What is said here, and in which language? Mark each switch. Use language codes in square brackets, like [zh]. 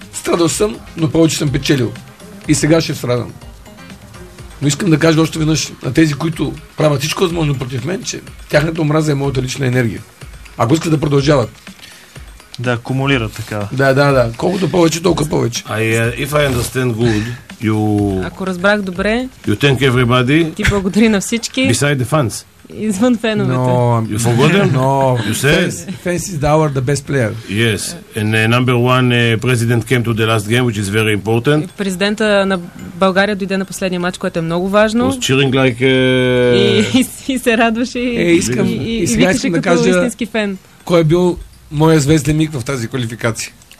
[bg] Страдал съм, но повече съм печелил. И сега ще страдам. Но искам да кажа още веднъж на тези, които правят всичко възможно против мен, че тяхната омраза е моята лична енергия. Ако искат да продължават. Да, акумулира така. Да. Колкото повече, толкова повече. [en] If I understand good, you... [bg] Ако разбрах добре, [en] you thank everybody, [bg] ти благодари на всички. [en] Beside the fans. [bg] Извън феновете. [en] No, you forgotten? No. You said? Fans is the best player. Yes. And number one, president came to the last game, which is very important. [bg] Президента на България дойде на последния матч, което е много важно. [en] Was cheering like... [bg] И се радваше. Искам. И викаше като кажа, истински фен. Кой е бил моя звезден миг в тази квалификация?